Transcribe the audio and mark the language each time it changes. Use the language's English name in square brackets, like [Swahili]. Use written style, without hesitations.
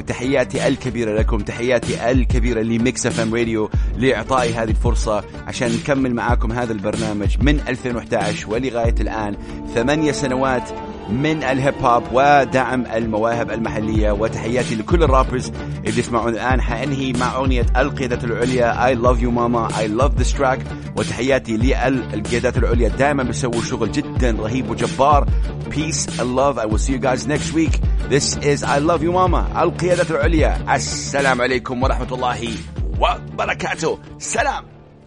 [Arabic] تحياتي الكبيرة لكم، تحياتي الكبيرة لميكس أف أم راديو لإعطائي هذه الفرصة عشان نكمل معاكم هذا البرنامج من 2011 ولغاية الآن 8 سنوات من الهيب هوب ودعم المواهب المحلية. وتحياتي لكل الرابرز اللي يسمعون الآن. حأنهي مع أغنية القيادة العليا I love you mama [English] I love this track. [Arabic] وتحياتي للقيادات العليا، دائما بيسووا شغل جدا رهيب وجبار. [English] Peace and love. I will see you guys next week. This is [Arabic] I love you mama القيادة العليا. السلام عليكم ورحمة الله وبركاته. سلام.